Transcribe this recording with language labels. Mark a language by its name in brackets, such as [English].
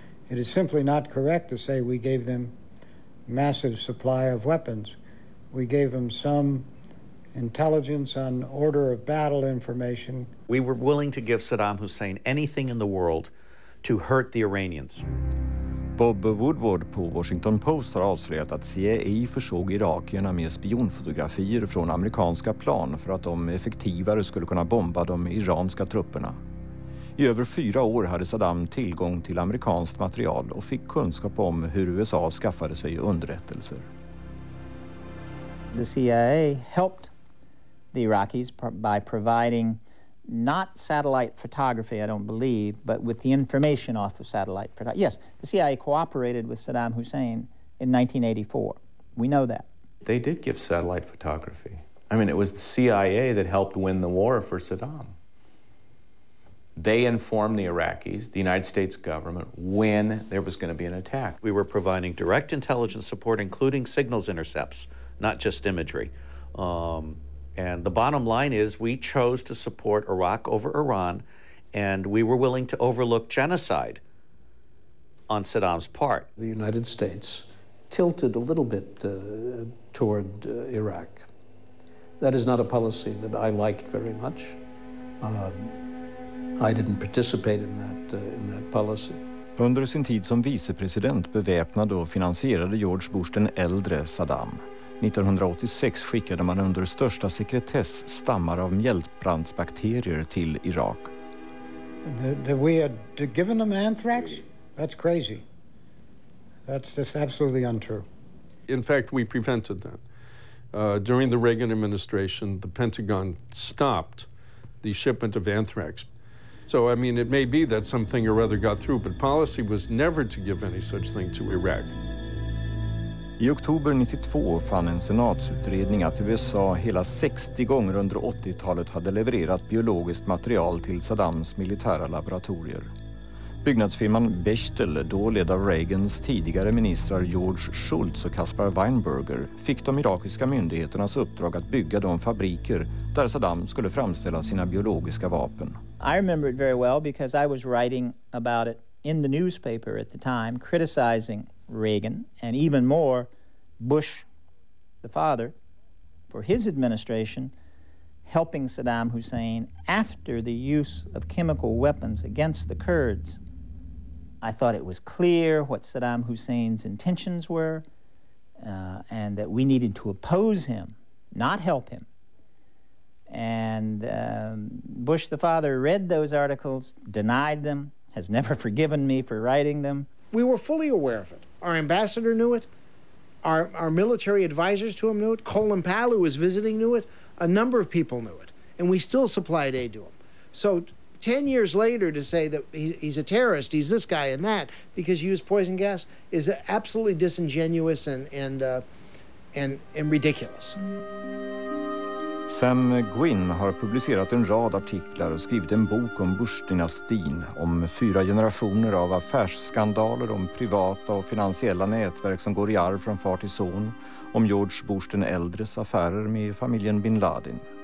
[English] It is simply not correct to say we gave them massive supply of weapons. We gave them some intelligence on order of battle information. We were willing to give Saddam Hussein anything in the world to hurt the Iranians. [Swedish] Bob Woodward på Washington Post har avslöjat att CIA försåg irakierna med spionfotografier från amerikanska plan för att de effektivare skulle kunna bomba de iranska trupperna. I över 4 år hade Saddam tillgång till amerikanskt material och fick kunskap om hur USA skaffade sig underrättelser. [English] The CIA helped the Iraqis by providing not satellite photography, I don't believe, but with the information off of satellite photography. Yes, the CIA cooperated with Saddam Hussein in 1984. We know that. They did give satellite photography. I mean, it was the CIA that helped win the war for Saddam. They informed the Iraqis, the United States government, when there was going to be an attack. We were providing direct intelligence support, including signals intercepts, not just imagery. And the bottom line is we chose to support Iraq over Iran, and we were willing to overlook genocide on Saddam's part. The United States tilted a little bit toward Iraq. That is not a policy that I liked very much. I didn't participate in that policy. [Swedish] Under sin tid som vicepresident beväpnade och finansierade George Bush den äldre Saddam. 1986 skickade man under största sekretess stammar av mjältbrandsbakterier till Irak. [English] We had given them anthrax? That's crazy. That's just absolutely untrue. In fact, we prevented that. During the Reagan administration, the Pentagon stopped the shipment of anthrax. So, I mean, it may be that something or other got through, but policy was never to give any such thing to Iraq. [Swedish] I oktober 92 fann en senatsutredning att USA hela 60 gånger under 80-talet hade levererat biologiskt material till Saddams militära laboratorier. Byggnadsfirman Bechtel, då ledd av Reagans tidigare ministrar George Shultz och Caspar Weinberger, fick de irakiska myndigheternas uppdrag att bygga de fabriker där Saddam skulle framställa sina biologiska vapen. [English] I remember it very well because I was writing about it in the newspaper at the time, criticizing Reagan, and even more, Bush, the father, for his administration, helping Saddam Hussein after the use of chemical weapons against the Kurds. I thought it was clear what Saddam Hussein's intentions were, and that we needed to oppose him, not help him. And Bush, the father, read those articles, denied them, has never forgiven me for writing them. We were fully aware of it. Our ambassador knew it. Our military advisors to him knew it. Colin Powell, who was visiting, knew it. A number of people knew it. And we still supplied aid to him. So 10 years later to say that he's a terrorist, he's this guy and that, because he used poison gas, is absolutely disingenuous and ridiculous. [Swedish] Sam Gwin har publicerat en rad artiklar och skrivit en bok om Bush-dynastin, om fyra generationer av affärsskandaler, om privata och finansiella nätverk som går i arv från far till son, om George Bush den äldres affärer med familjen Bin Laden.